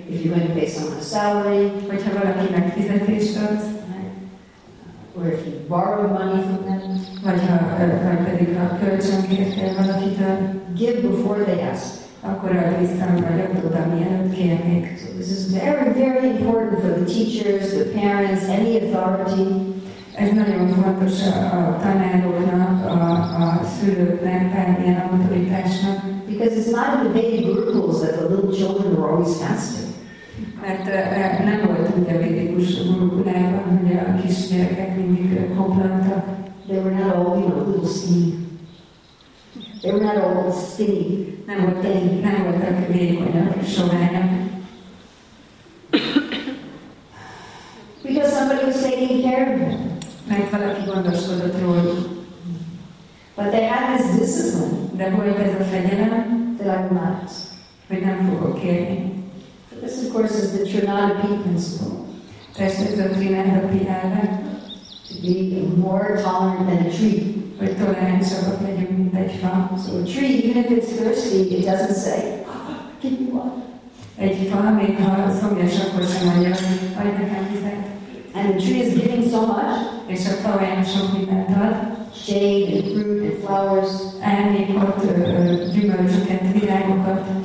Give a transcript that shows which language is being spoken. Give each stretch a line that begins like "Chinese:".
English: If you're going to pay someone a salary.
Hungarian: Hogyha valakinek fizetést adsz.
English: Or if you borrow money from them.
Hungarian: Vagy pedig a kölcsön kértél valakitől.
English: Give before they ask.
Hungarian: Akkor add vissza, mielőtt oda, mielőtt kérnék.
English: This is very, very important for the teachers, the parents, any authority.
Hungarian: Ez nagyon fontos a tanároknak, a szülőknek, bármilyen autoritásnak.
English: Because it's not the baby group rules that the little children were always fasting.
Hungarian: Mert nem volt úgy a védikus gurukulában, hogy a kisgyerekek mindig koplantak.
English: They were not all, you know, little skinny. They were not all skinny.
Hungarian: Nem volt egy, nem voltak vékonyak, soványak.
English: Because somebody was taking care of them.
Hungarian: Mert valaki gondoskodott róluk.
English: But they had this discipline.
Hungarian: De volt ez a fegyelem.
English: That I will not.
Hungarian: Hogy nem fogok kérni.
English: This, of course, is the Trinadapi principle.
Hungarian: Ez is a Trinadapi elve.
English: To be more tolerant than a tree.
Hungarian: Hogy toleránsabbak legyünk, mint egy fa.
English: So a tree, even if it's thirsty, it doesn't say, give me water.
Hungarian: Egy fa, még ha szomjas, akkor sem mondja, hogy adj nekem vizet.
English: And the tree is giving so much.
Hungarian: És a fa olyan sok mindent ad.
English: Shade and fruit and flowers.
Hungarian: Elnék ott gyümölcsöket, virágokat.